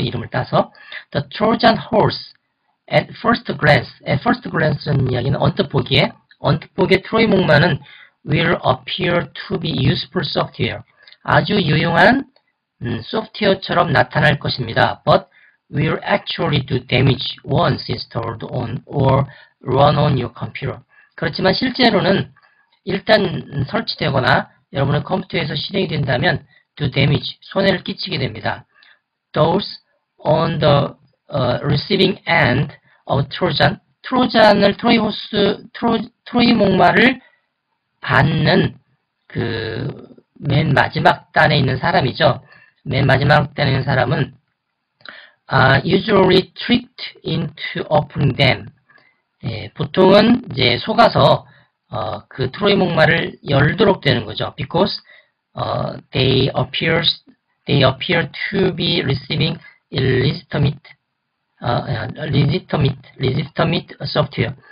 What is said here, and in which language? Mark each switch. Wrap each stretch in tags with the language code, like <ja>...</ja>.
<ko>이름을 따서</ko> <en>The Trojan Horse at first glance. At first glance라는</en> <ko>이야기는 언뜻 보기에 트로이 목마는</ko> <en>will appear to be useful software.</en> <ko>아주 유용한 소프트웨어처럼 나타날 것입니다.</ko> <en>But will actually do damage once installed on or run on your computer.</en> <ko>그렇지만 실제로는 일단 설치되거나 여러분의 컴퓨터에서 실행이 된다면</ko> <en>do damage,</en> <ko>손해를 끼치게 됩니다.</ko> <en>Those on the receiving end of Trojan,</en> <ko>Trojan을 트로이 호스, 트로이 목마를 받는 그 맨 마지막 단에 있는 사람이죠. 맨 마지막 단에 있는 사람은</ko> <en>usually tricked into opening them.</en> <ko>예, 보통은 이제 속아서 그 트로이 목마를 열도록 되는 거죠.</ko> <en>Because they appear to be receiving legitimate software.</en>